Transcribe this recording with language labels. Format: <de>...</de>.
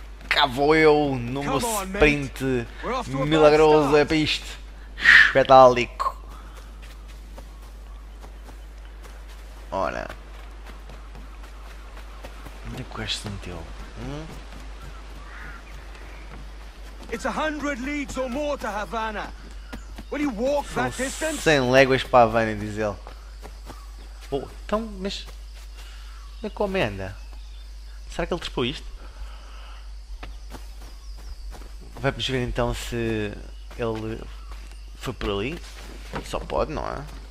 <pt>Cá vou eu numa sprint milagrosa para isto. Espetálico. Ora. Onde é que o gajo se meteu?</pt> <en>It's 100 leagues or more to Havana. Will you walk that distance?</en> <pt>100 léguas para Havana, diz ele. Oh, então, mas. Onde é que o homem anda? Será que ele trepou isto? Vamos ver então se ele foi por ali. Só pode, não é?</pt>